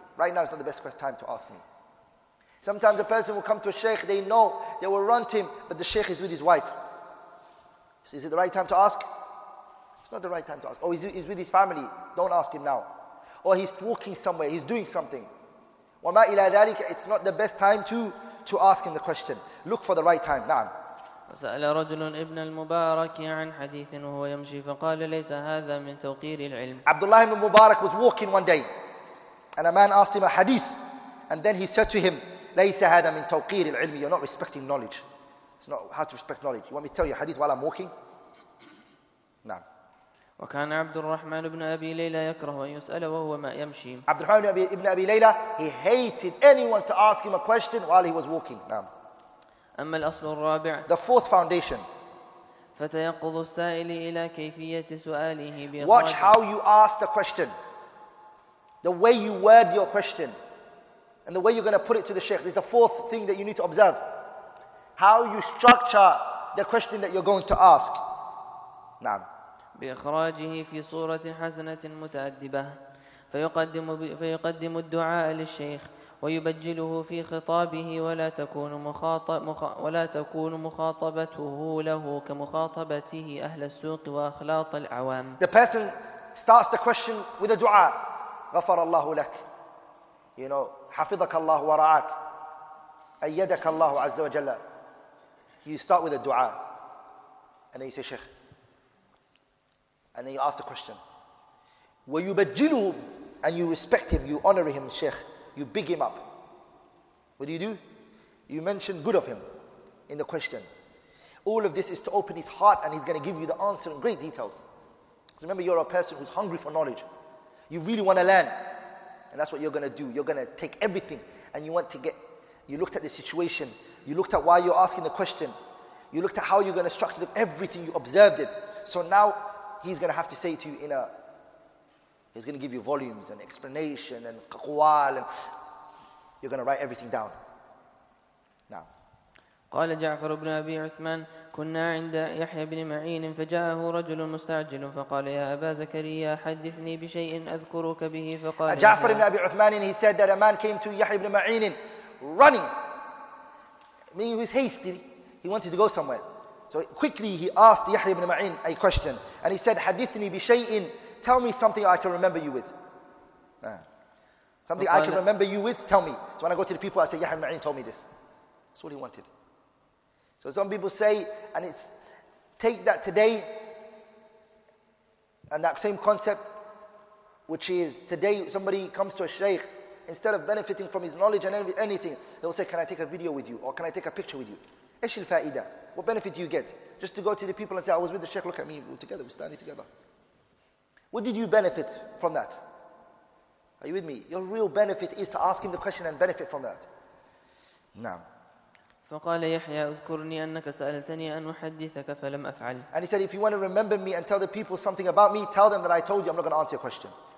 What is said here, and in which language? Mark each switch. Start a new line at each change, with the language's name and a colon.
English: Right now is not the best time to ask me. Sometimes a person will come to a sheikh, they know, they will run to him, but the sheikh is with his wife. So is it the right time to ask? It's not the right time to ask. Oh, he's with his family. Don't ask him now. Or he's walking somewhere, he's doing something.
Arabic: وَمَا إِلَى ذَلِكَ.
English: It's not the best time to ask him the question. Look for the right time. Na'am.
Arabic: سأل رجل ابن المبارك عن حديث وهو يمشي فقال ليس هذا من توقير العلم.
English: عبد الله بن مبارك was walking one day and a man asked him a hadith and then he said to him
Arabic: ليس هذا من توقير العلم.
English: You're not respecting knowledge. It's not how to respect knowledge. You want me to tell you a hadith while I'm walking?
Arabic: نعم. وكان عبد الرحمن بن أبي ليلى يكره أن يسأل وهو ما يمشي.
English: عبد الرحمن بن أبي ليلى, he hated anyone to ask him a question while he was walking.
Arabic: نعم. أما الأصل الرابع,
English: the fourth foundation,
Arabic: فتيقظ السائل إلى كيفية سؤاله.
English: Watch how you ask the question, the way you word your question, and the way you're going to put it to the sheikh. This is the fourth thing that you need to observe. How you structure the question that you're going to ask.
Arabic: نعم. بإخراجه في صورة حسنة متأدبة, فيقدم الدعاء للشيخ ويبجله في خطابه, ولا تكون مخاطبته له كمخاطبته أهل السوق وأخلاط العوام.
English: The person starts the question with a dua.
Arabic: غفر الله لك. You know, حفظك الله ورعاك. أيدك الله عز وجل.
English: You start with a dua. And then you say, Sheikh, And then you ask the question.
Arabic: وَيُبَجِّلُهُ
English: And you respect him, you honor him, Shaykh. You big him up. What do? You mention good of him in the question. All of this is to open his heart and he's going to give you the answer in great details. Because remember, you're a person who's hungry for knowledge. You really want to learn. And that's what you're going to do. You're going to take everything and you want to get... You looked at the situation. You looked at why you're asking the question. You looked at how you're going to structure the, everything. You observed it. So now, he's going to have to say to you in a... He's going to give you volumes and explanation and qawal and... You're going to write everything down. Now.
Arabic: قال جعفر بن أبي عثمان كنا عند يحيى بن معين فجاءه رجل مستعجل فقال يا أبا زكريا حدثني بشيء أذكرك به فقال
English: جعفر بن أبي عثمان he said that a man came to يحيى بن معين running meaning he was hasty he wanted to go somewhere so quickly he asked يحيى بن معين a question and he said
Arabic: حدثني بشيء
English: tell me something I can remember you with something I can remember you with tell me so when I go to the people I say يحيى بن معين told me this that's what he wanted So some people say, and it's take that today, and that same concept, which is today somebody comes to a shaykh, instead of benefiting from his knowledge and anything, they will say, can I take a video with you? Or can I take a picture with you? Ish al-fa'ida. What benefit do you get? Just to go to the people and say, I was with the shaykh, look at me, we're together, we're standing together. What did you benefit from that? Are you with me? Your real benefit is to ask him the question and benefit from that. Now.
Arabic: فقال يحيى اذكرني انك سالتني ان احدثك فلم افعل
English: And he said if you want to remember me and tell the people something about me tell them that I told you I'm not going to answer your question